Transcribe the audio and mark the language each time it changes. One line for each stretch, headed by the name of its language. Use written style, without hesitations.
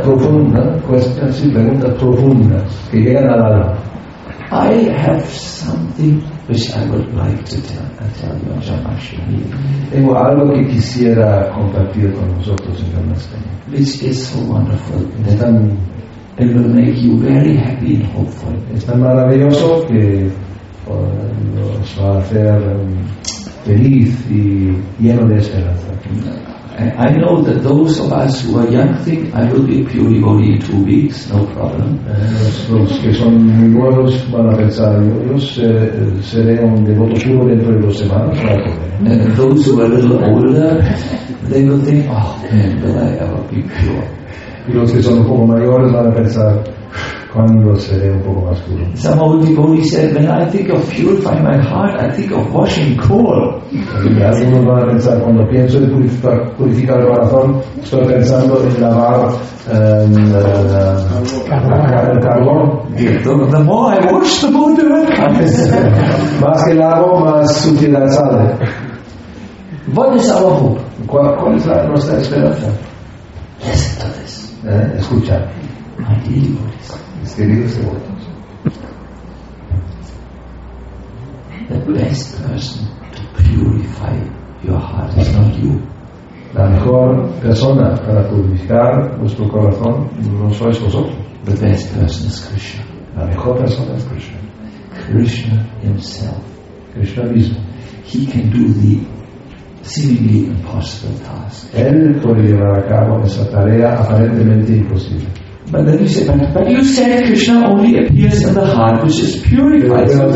Spanish: Profunda, cuestiones y preguntas profundas que llegan al alma.
English: I have something which I would like to tell you on Janmashtami.
Spanish: Tengo algo que quisiera compartir con nosotros en Janmashtami.
English: This is so wonderful.
Spanish: Es tan,
English: it will make you very happy and hopeful.
Spanish: Es tan maravilloso que os va a hacer feliz y lleno de esperanza.
English: I know that those of us who are young think I will be a pure devotee in 2 weeks, no problem.
Spanish: Los que son muy buenos van a pensar, yo seré un devoto puro dentro de 2 semanas.
English: And those who are a little older, they will think, oh man, will I ever be pure?
Spanish: Y los que son un poco mayores van a pensar, ¿cuándo seré un poco más puro?
English: Some old devotees said, when I think of purifying my heart, I think of washing coal.
Spanish: Algunos van a pensar, cuando pienso de purificar el corazón, estoy pensando en lavar el carbón.
English: The more I wash, the more the red comes.
Spanish: Más que lavo, más suciedad sale.
English: What is our hope?
Spanish: ¿Cuál es nuestra esperanza?
English: Listen to this.
Spanish: Escucha.
English: My dear devotees. The best person to purify your heart is not you.
Spanish: La mejor persona para purificar vuestro corazón no sois vosotros.
English: The best person is Krishna.
Spanish: La mejor persona es Krishna.
English: Krishna himself.
Spanish: Krishna mismo.
English: He can do the seemingly impossible task.
Spanish: Él puede llevar a cabo esa tarea aparentemente imposible.
English: But then you say, but you said Krishna only appears in the heart which is purified.